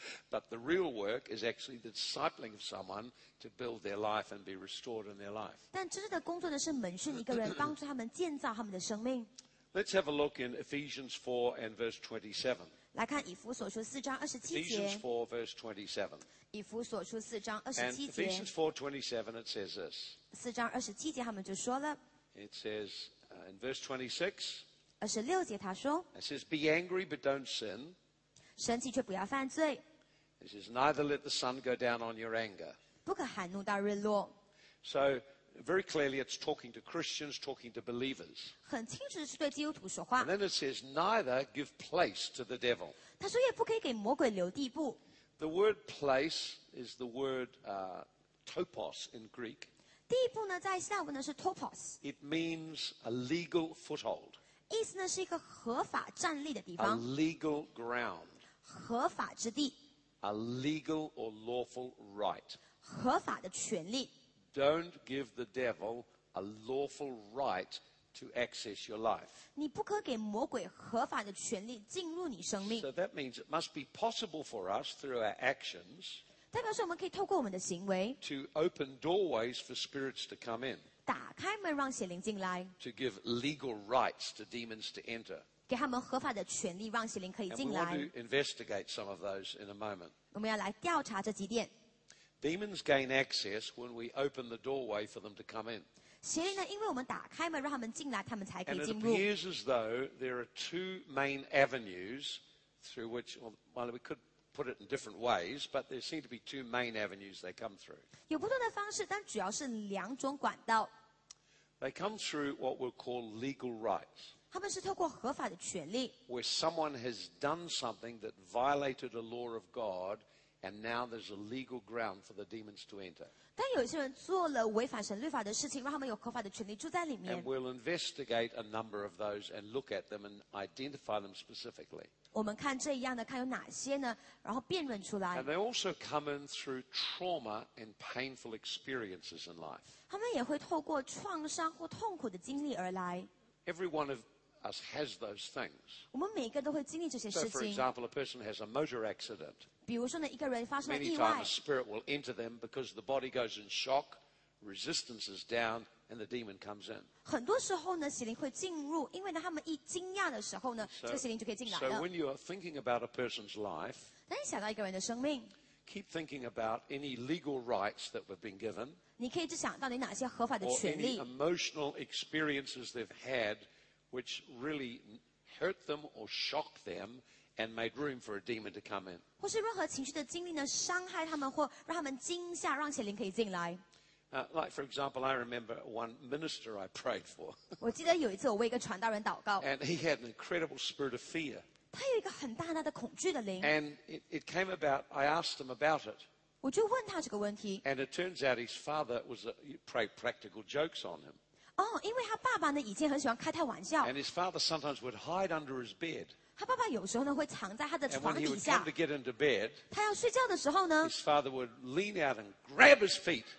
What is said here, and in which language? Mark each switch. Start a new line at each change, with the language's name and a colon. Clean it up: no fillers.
English: But the real work is actually the discipling of someone to build their life and be restored in their life.
Chinese: 但真正的工作呢是门训一个人，帮助他们建造他们的生命。
English: Let's have a look in Ephesians 4 and verse 27.
Chinese: 来看以弗所书四章二十七节。
English: Ephesians 4 verse 27.
Chinese: 以弗所书四章二十七节。
English: And Ephesians 4 27 it says this.
Chinese: 四章二十七节他们就说了。
English: It says in verse 26.
Chinese: 二十六节他说。
English: It says be angry but don't sin.
Chinese: 生气却不要犯罪。
English: It says neither let the sun go down on your anger.
Chinese: 不可含怒到日落。
English: So. Very clearly, it's talking to Christians, talking to believers.
Chinese: 很清楚是对基督徒说话。
English: And then it says, neither give place to the devil.
Chinese: 他说也不可以给魔鬼留地步。
English: The word place is the word topos in Greek.
Chinese: 地步呢，在希腊文呢是 topos.
English: It means a legal foothold.
Chinese: 意思呢是一个合法站立的地方。
English: A legal ground.
Chinese: 合法之地。
English: A legal or lawful right.
Chinese: 合法的权利。
English: Don't give the devil a lawful right to access your life.
Chinese: 你不可给魔鬼合法的权利进入你生命。
English: So that means it must be possible for us through our actions.
Chinese: 代表说我们可以透过我们的行为。
English: To open doorways for spirits to come in.
Chinese: 打开门让邪灵进来。
English: To give legal rights to demons to enter.
Chinese: 给他们合法的权利让邪灵可以进来。
English: And we want to investigate some of those in a moment.
Chinese: 我们要来调查这几点。
English: Demons gain access when we open the doorway for them to come in.
Chinese: 邪灵呢，因为我们打开门让他们进来，他们才可以进入。
English: And it appears as though there are two main avenues through which, well, we could put it in different ways, but there seem to be two main avenues they come through.
Chinese: 有不同的方式，但主要是两种管道。
English: They come through what we'll call legal rights.
Chinese: 他们是透过合法的权利。
English: Where someone has done something that violated a law of God. And now there's a legal ground for the demons to enter.
Chinese: 但有些人做了违反神律法的事情，让他们有合法的权利住在里面。
English: And we'll investigate a number of those and look at them and identify them specifically.
Chinese: 我们看这一样的，看有哪些呢？然后辨认出来。
English: And they also come in through trauma and painful experiences in life.
Chinese: 他们也会透过创伤或痛苦的经历而来。
English: Every one of us has those things.
Chinese: 我们每个都会经历这些事情。
English: So, for example, a person has a motor accident.
Chinese: 比如说呢，一个人发生了意外。
English: Many times a spirit will enter them because the body goes in shock, resistance is down, and the demon comes in.
Chinese: 很多时候呢，邪灵会进入，因为呢，他们一惊讶的时候呢，这个邪灵就可以进来了。
English: So when you are thinking about a person's life,
Chinese: 当你想到一个人的生命。
English: Keep thinking about any legal rights that we've been given.
Chinese: 你可以就想到你哪些合法的权利。
English: Or any emotional experiences they've had, which really hurt them or shocked them, and made room for a demon to come in.
Chinese: 或是任何情绪的经历呢，伤害他们或让他们惊吓，让邪灵可以进来。
English: Like for example, I remember one minister I prayed for.
Chinese: 我记得有一次我为一个传道人祷告。
English: And he had an incredible spirit of fear.
Chinese: 他有一个很大大的恐惧的灵。
English: And it came about, I asked him about it.
Chinese: 我就问他这个问题。
English: And it turns out his father was played practical jokes on him.
Chinese: 哦，因为他爸爸呢，以前很喜欢开他玩笑。
English: And his father sometimes would hide under his bed.
Chinese: 他爸爸有时候呢，会藏在他的床底下。
English: And when he would come to get into bed,
Chinese: 他要睡觉的时候呢
English: ，his father would lean out and grab his feet.